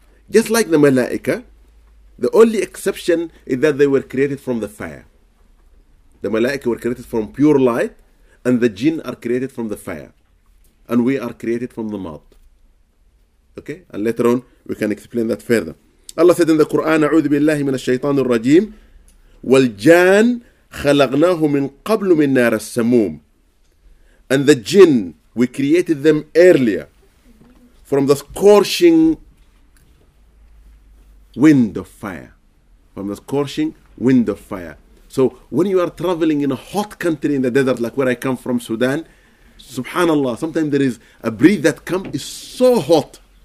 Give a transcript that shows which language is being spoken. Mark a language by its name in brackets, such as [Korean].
[English] Just like the malaika, the only exception is that they were created from the fire. The malaika were created from pure light, and the jinn are created from the fire. And we are created from the mud. Okay, and later on we can explain that further. Allah said in the Quran, [Arabic] أعوذ بالله من الشيطان الرجيم والجان خلقناه من قبل من نار السموم. [English] And the jinn, we created them earlier from the scorching wind of fire. From the scorching wind of fire. So when you are traveling in a hot country in the desert, like where I come from, Sudan, subhanAllah, sometimes there is a breeze that comes, is so hot.